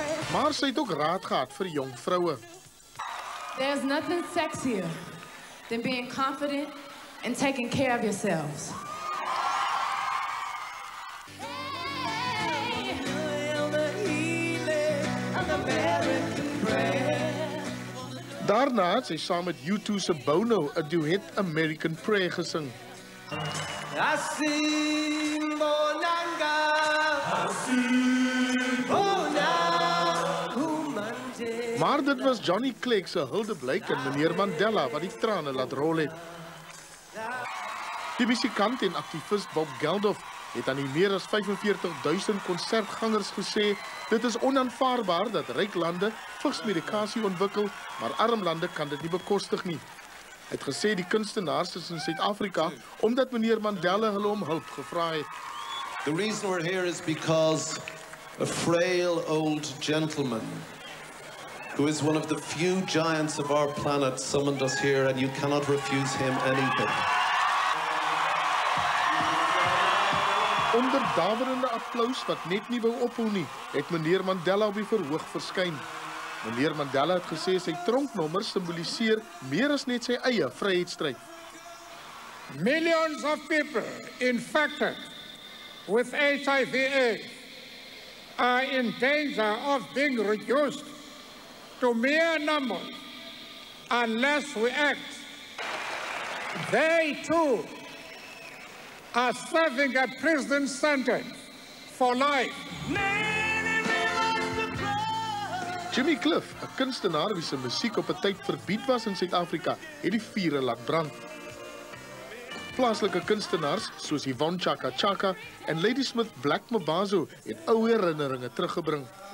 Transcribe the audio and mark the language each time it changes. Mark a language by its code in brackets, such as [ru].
[af] Maar sy het ook raad gehad vir jong vroue. [en] There's nothing sexier than being confident and taking care of yourselves. [af] Daarna het sy saam met U2 se Bono 'n duet American Prayer gesing. Maar dit was Johnny Clegg se huldeblyk aan meneer Mandela wat die trane laat rol het. Die musikant en aktivis Bob Geldof het aan die meer as 45,000 konsertgangers gesê, dit is onaanvaarbaar dat ryk lande vigsmedikasie ontwikkel, maar arm lande kan dit nie bekostig nie. Hy het gesê die kunstenaars is in Suid-Afrika omdat meneer Mandela hulle om hulp gevra het. [en] The reason we're here is because a frail old gentleman who is one of the few giants of our planet summoned us here and you cannot refuse him anything. [af] Onder daverende applaus wat net nie wou ophou nie, het meneer Mandela op die verhoog verskyn. Meneer Mandela het gesê sy tronknommer simboliseer meer as net sy eie vryheidsstryd. [en] Millions of people infected with HIV/AIDS are in danger of being reduced to mere numbers unless we act. They too are serving a prison sentence for life. [af] Jimmy Cliff, 'n kunstenaar wie se musiek op 'n tyd verbied was in Suid-Afrika, het die vure laat brand. Plaaslike kunstenaars soos Yvonne Chaka Chaka en Ladysmith Black Mabazo het ou herinneringe teruggebring.